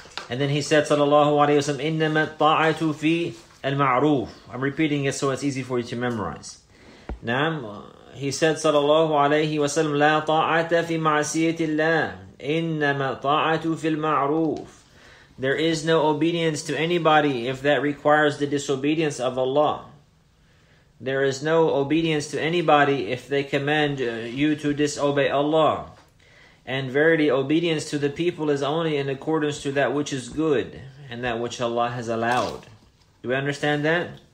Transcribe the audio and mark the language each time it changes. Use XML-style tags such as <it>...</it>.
<en>And then he said,</en> <ar>صلى الله عليه وسلم, إنما الطاعة في المعروف.</ar> <en>I'm repeating it so it's easy for you to memorize.</en> <ar>نعم.</ar> <en>He said,</en> <ar>صلى الله عليه وسلم, لا طاعة في معصية الله. إنما الطاعة في المعروف.</ar> <en>There is no obedience to anybody if that requires the disobedience of Allah. There is no obedience to anybody if they command you to disobey Allah. And verily, obedience to the people is only in accordance to that which is good and that which Allah has allowed. Do we understand that?</en>